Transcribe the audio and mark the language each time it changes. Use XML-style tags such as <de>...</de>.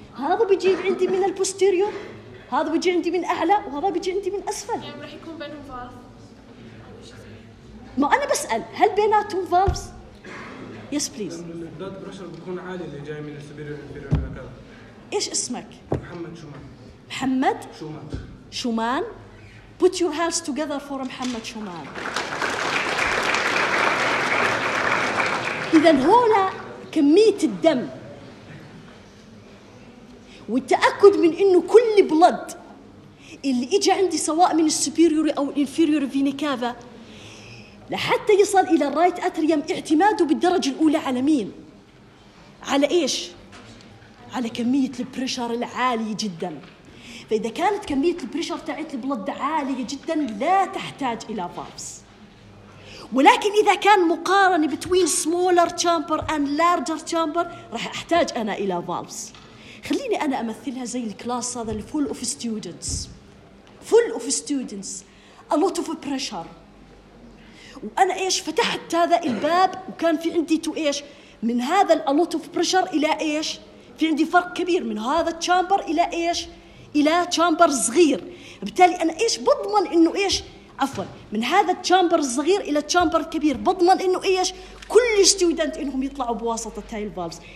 <ar>هذا بيجي عندي من البوستيريور، هذا بيجي عندي من اعلى، وهذا بيجي عندي من اسفل. يعني راح يكون بينهم فالفز؟ ما انا بسال، هل بيناتهم فالفز؟</ar> <en>Yes please.</en> <ar>الدوت بريشر بتكون عالي اللي جاي من السوبيريور انفيريور. ايش اسمك؟ محمد شومان. محمد شومان.</ar> <en>شومان، put your hands together for محمد شومان.</en> <ar>اذا هولا كميه الدم والتاكد من انه كل بلد اللي اجى عندي سواء من السوبيريور او الانفيريور فينا كافا لحتى يصل إلى الرايت أتريوم اعتماده بالدرجة الأولى على مين؟ على إيش؟ على كمية البريشر العالية جداً. فإذا كانت كمية البريشر تاعت البلد عالية جداً لا تحتاج إلى فالفز. ولكن إذا كان مقارنة بين</ar> <en>smaller chamber and larger chamber</en> <ar>رح أحتاج أنا إلى فالفز. خليني أنا أمثلها زي الكلاس هذا</ar> <en>الفول of students. Full of students A lot of pressure.</en> <ar>وأنا إيش فتحت هذا الباب وكان في عندي تو إيش من هذا</ar> <en>A lot of pressure</en> <ar>إلى إيش في عندي فرق كبير من هذا التشامبر إلى إيش إلى تشامبر صغير. بالتالي أنا إيش بضمن إنه إيش عفواً من هذا التشامبر الصغير إلى التشامبر الكبير بضمن إنه إيش كل ستودنت إنهم يطلعوا بواسطة هاي الفالفز.</ar>